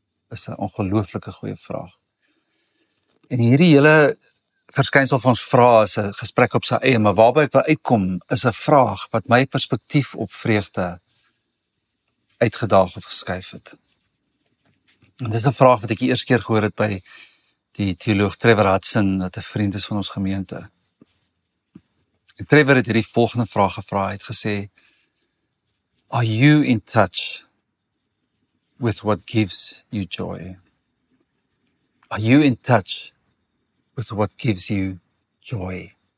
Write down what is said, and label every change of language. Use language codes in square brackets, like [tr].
[af] Is 'n ongelooflike goeie vraag. En hierdie hele verskynsel van ons vrae is 'n gesprek op sy eie, maar waarby ek wil uitkom is 'n vraag wat my perspektief op vreugde uitgedaag of geskuif het. En dis 'n vraag wat ek die eerste keer gehoor het by die teoloog Trevor Hudson, wat 'n vriend is van ons gemeente. Trevor het hierdie volgende vraag gevra, het gesê, [en] are you in touch with what gives you joy? Are you in touch with what gives you joy?